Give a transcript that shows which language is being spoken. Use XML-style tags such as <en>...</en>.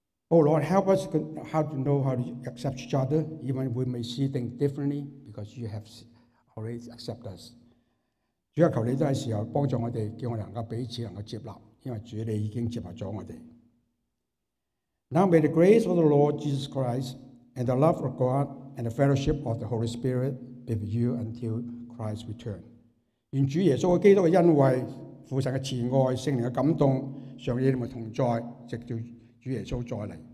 <en>Oh Lord, help us how to know how to accept each other, even if we may see things differently, because you have already accepted us.</en> <yue>主啊，求你都系时候帮助我哋，叫我哋能够彼此能够接纳，因为主你已经接纳咗我哋。</yue> <en>Now may the grace of the Lord Jesus Christ and the love of God and the fellowship of the Holy Spirit be with you until Christ returns.</en> <yue>愿主耶稣基督嘅恩惠、父神嘅慈爱、圣灵嘅感动，常与你们同在，直到主耶稣再嚟。</yue>